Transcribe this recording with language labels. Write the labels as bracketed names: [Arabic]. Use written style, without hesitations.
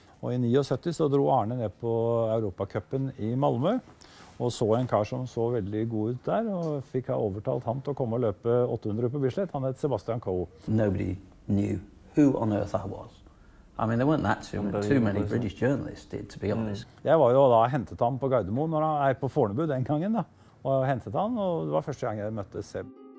[Norwegian] Og i 79 så dro Arne ned på Europacupen i Malmö og så en kar som så veldig god ut der og fikk ha overtalt han til å komme og løpe 800 på Bislett. Han het Sebastian Coe. [English] Nobody knew who on earth I was. I mean, there weren't that too many British journalists did, to be honest. [Norwegian] Jeg var jo da hentet han på Gardermoen når han på Fornebu den gangen da. Og hentet han, og det var første gang jeg møtte Seb.